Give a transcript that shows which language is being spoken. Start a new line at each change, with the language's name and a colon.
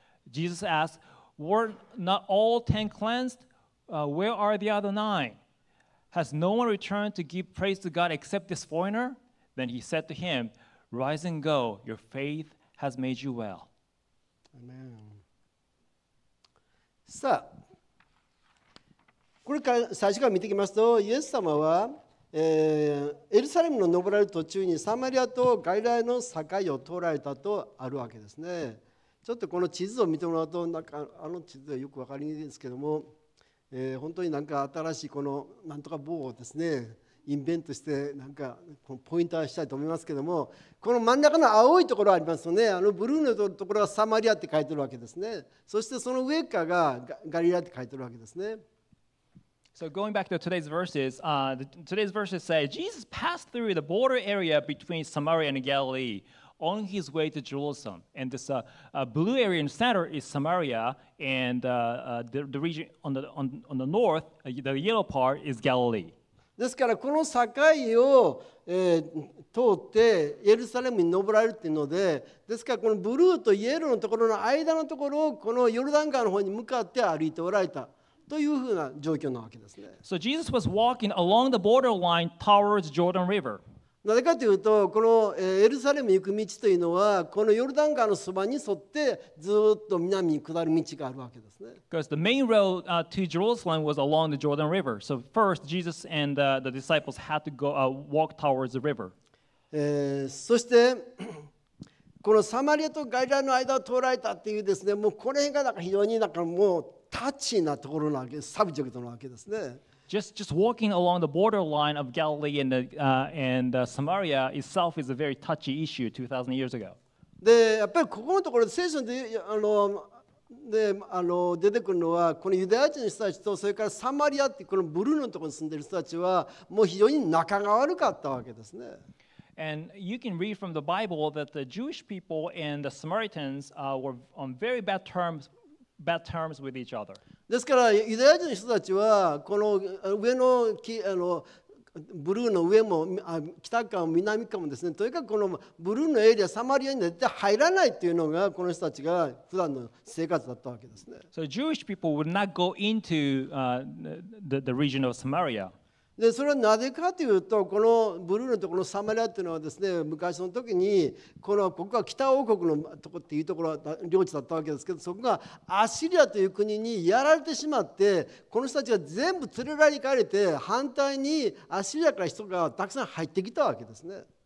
English: Jesus asked, Were not all 10 cleansed? Where are the other 9? Has no one returned to give praise to God except this foreigner? Then he said to him, Rise and go, your faith has made you well. Amen.
Japanese: さあ、これから最初から見ていきますと、イエス様は、エルサレムの登られる途中にサマリアとガリラの境を通られたとあるわけですね。ちょっとこの地図を見てもらうと、なんかあの地図はよくわかりにくいですけども、本当に何か新しいこのなんとか棒をですねインベントして何かこのポイントをしたいと思いますけども、この真ん中の青いところありますよね。あのブルーのところがサマリアって書いてるわけですね。そしてその上かがガリラって書いてるわけですね。
English: So going back to today's verses, today's verses say Jesus passed through the border area between Samaria and Galilee on his way to Jerusalem. And this blue area in the center is Samaria. And the region on the north, the yellow part is Galilee.
Japanese: ですからこの境を、通ってエルサレムに登られるっていうので、ですからこのブルーとイエローのところの間のところをこのヨルダン川の方に向かって歩いておられたというふうな状況なわけですね。
English: So Jesus was walking along the borderline towards Jordan River.
Japanese: なぜかというと、このエルサレムに行く道というのは、このヨルダン川のそばに沿ってずっと南に下る道があるわけですね。
English: Because the main road to Jerusalem was along the Jordan River. So first, Jesus and the disciples had to go, walk towards the river.
Japanese: そして、このサマリアとガリラの間を通られたっていうですね、もうこの辺がなんか非常になんかもうタッチなところなわけです。サブジェクトなわけですね。
English: Just walking along the borderline of Galilee and Samaria itself is a very touchy issue 2,000 years ago.
Japanese: で、やっぱりここのところ聖書で出てくるのは、このユダヤ人の人たちとそれからサマリアってこのブルーのところに住んでる人たちはもう非常に仲が悪かったわけですね。
English: And you can read from the Bible that the Jewish people and the Samaritans were on very bad terms with each other.
Japanese: ですからユダヤ人の人たちはこの上 の, あのブルーの上も北かも南かもですね。とにかくこのブルーのエリア、サマリアに絶対入らないっていうのがこの人たちが普段の生活だったわけですね。
English: So Jewish people would not go into the region of Samaria.
Japanese: で、それはなぜかというと、このブルーのところサマリアっていうのはですね、昔の時にこのここは北王国のとこっていうところ領地だったわけですけど、そこがアシリアという国にやられてしまって、この人たちが全部連れられかれて、反対にアシリアから人がたくさん入ってきたわけですね。